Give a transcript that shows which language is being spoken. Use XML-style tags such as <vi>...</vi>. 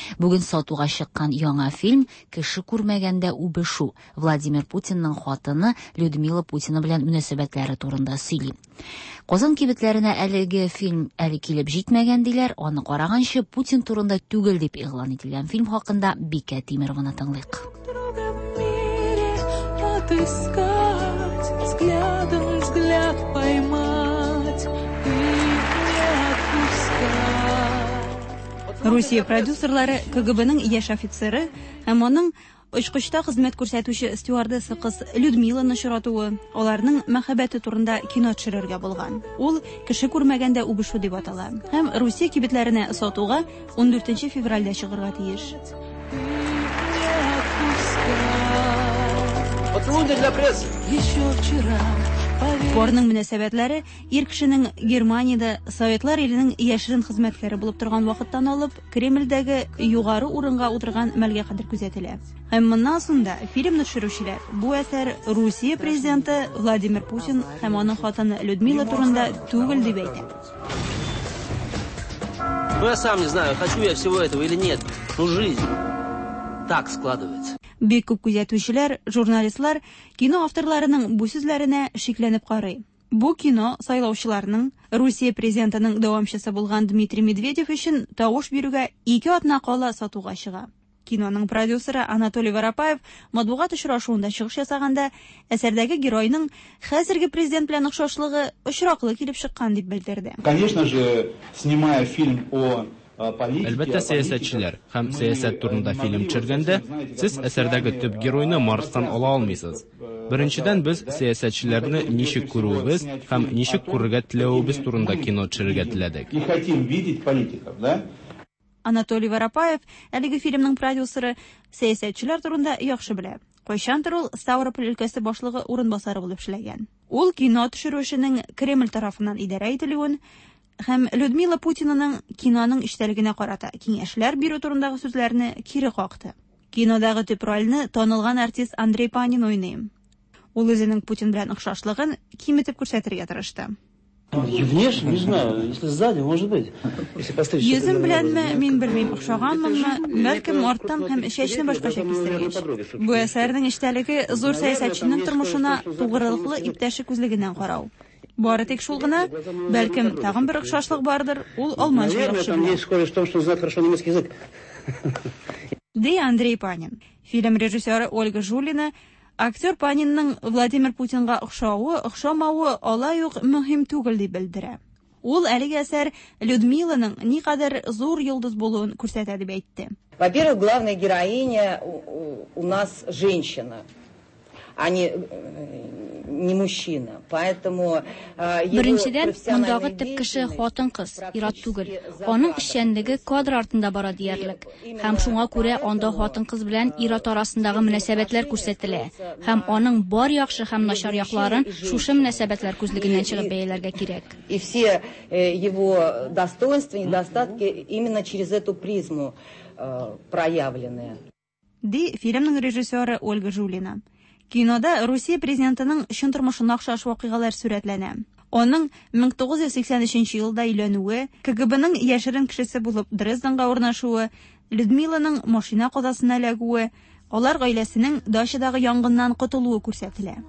<tt>Бүген сатуга чыккан яңа фильм «Кеше күрмәгәндә үбешү» Владимир Путинның хатыны Людмила Путина белән мөнәсәбәтләре турында сөйли. Казан кибетләренә әлеге фильм әле килеп җитмәгән диләр, аны караганчы Путин турында түгел дип игълан ителгән фильм хакында Бикә Тимерованы тыңлыйк.</tt> <ru>Взглядом взгляд поймать и не отпускать.</ru> <tt>Русия продюсерлары КГБ-ның яш офицеры һәм аның очкычта хезмәт күрсәтүче стюардесы кыз Людмиланы очратуы аларның мәхәббәте турында кино төшерергә булган. Ул «Кеше күрмәгәндә үбешү» дип атала һәм Русия кибетләренә сатуга 14 февральдә чыгырга тиеш. Порның мөнәсәбәтләре ир кешенең Германиядә советлар иленең яшерен хезмәткәре булып торган вакыттан алып Кремльдәге югары урынга утырган мәлгә кадәр күзәтелә. Һәм моннан соң да фильм төшерүчеләр бу әсәр Русия президенты Владимир Путин һәм аның хатыны Людмила турында түгел дип әйтә.</tt> <ru>Ну я сам не знаю, хочу я всего этого или нет. Ну жизнь так складывается.</ru> <tt>Бик күп күзәтүчеләр, журналистлар кино авторларының бу сүзләренә шикләнеп карый. Бу кино сайлаучыларның Русия президентының дәвамчысы булган Дмитрий Медведев өчен тавыш бирүгә 2 атна кала сатуга чыга. Киноның продюсеры Анатолий Воропаев матбугат очрашуында чыгыш ясаганда әсәрдәге геройның хәзерге президент белән охшашлыгы очраклы килеп чыккан дип белдерде.</tt> <ru>Конечно же, снимая фильм о</ru> <tt>Әлбәттә, сәясәтчеләр һәм сәясәт турында фильм төшергәндә, сез әсәрдәге төп геройны Марстан ала алмыйсыз. Беренчедән, без сәясәтчеләрне ничек күрүебез һәм ничек күрергә теләвебез турында кино төшергә теләдек.</tt> <ru>И хотим видеть политиков, да?</ru> <tt>Анатолий Воропаев, әлеге фильмның продюсеры, сәясәтчеләр турында яхшы белә. Кайчандыр ул Ставрополь өлкәсе башлыгы урынбасары булып эшләгән. Ул кино төшерү эшенең Кремль тарафыннан идарә ителүен һәм Людмила Путинаның киноның эчтәлегенә карата киңәшләр бирү турындагы сүзләрне кире какты. Кинодагы төп рольне танылган артист Андрей Панин уйный. Ул үзенең Путин белән охшашлыгын киметеп күрсәтергә тырышты.</tt> <ru>Внешне, не знаю, если сзади, может быть. Если поставить.</ru> <tt>Езем бленме, мин бермим охшаган манна, мелким ортам хем шешне башкача кистереч. Бу әсәрнең эчтәлеге зур сәясәтченең тормышына тугрылыклы иптәше күзлегеннән карау. Бары тик шул гына, бәлкем тагын бер охшашлык бардыр, ул алмаш язмышы. Ди Андрей Панин. Фильм режиссеры Ольга Жулина, актер Панинның Владимир Путинга охшавы, охшамавы алай ук мөһим түгел дип белдерә. Ул әлеге әсәр Людмиланың никадәр зур йолдыз булуын күрсәтә дип әйтте.</tt> <ru>Во-первых, главная героиня у нас женщина. Они не мужчина, поэтому</ru> <tt>беренчедән мондагы төп кеше хатын-кыз, ират түгел. Аның эшчәнлеге кадр артында бара диярлек. Һәм шуңа күрә анда хатын-кыз белән ират арасындагы мөнәсәбәтләр күрсәтелә. Һәм аның бар яхшы һәм начар якларын шушы мөнәсәбәтләр күзлегеннән чыгып бәяләргә кирәк.</tt> <ru>И все его достоинства, недостатки именно через эту призму проявлены.</ru> <tt>ди фильмның режиссеры Ольга Жулина. Кинода Русия президентының чын тормышына охшаш вакыйгалар сүрәтләнә. Аның 1983 елда өйләнүе, КГБның яшерен кешесе булып Дрезденга урнашуы, Людмиланың машина казасына эләгүе, алар гаиләсенең дачадагы янгыннан котылуы күрсәтелә.</tt>